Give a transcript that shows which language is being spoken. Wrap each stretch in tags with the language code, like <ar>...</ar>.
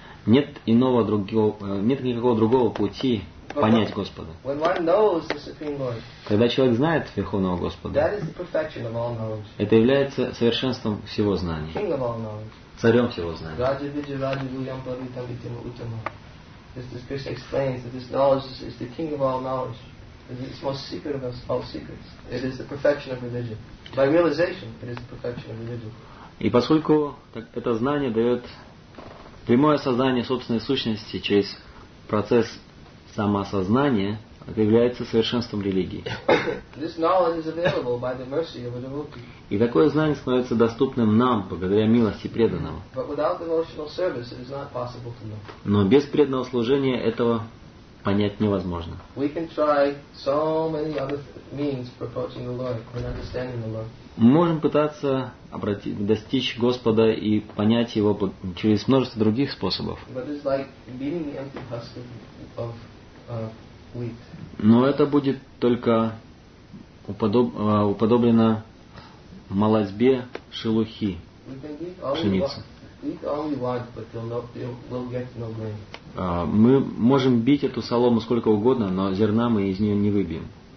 <ru>Нет иного другого, нет никакого другого пути понять Господа.</ru> <en>When one knows the Supreme Lord,</en> <ru>когда человек знает Верховного Господа,</ru> <en>that is the perfection of all knowledge.</en> <ru>Это является совершенством всего знания.</ru> <en>King of all knowledge.</en> <ru>Царем всего знания.</ru> <sa>Raja Vidya Raja Vuyam Pavitam Vitam Uttama.</sa> <en>As Krishna explains, that this knowledge is the king of all knowledge. It is the most secret of all secrets. It is the perfection of religion. By realization, it is the perfection of religion.</en> <ru>И поскольку это знание дает прямое осознание собственной сущности через процесс самоосознания, это является совершенством религии.</ru> <en>This knowledge is available by the mercy of a devotee.</en> <ru>И такое знание становится доступным нам благодаря милости преданного.</ru> <en>But without devotional service, it is not possible to know.</en> <ru>Но без преданного служения этого понять невозможно.</ru> <en>We can try so many other means for approaching the Lord and understanding the Lord.</en> <ru>Мы можем пытаться достичь Господа и понять Его через множество других способов.</ru> <en>But it's like beating the empty husk of wheat.</en> <ru>Но это будет только уподоблено молозьбе шелухи, пшеницы. Мы можем бить эту солому сколько угодно, но зерна мы из нее не выбьем.</ru>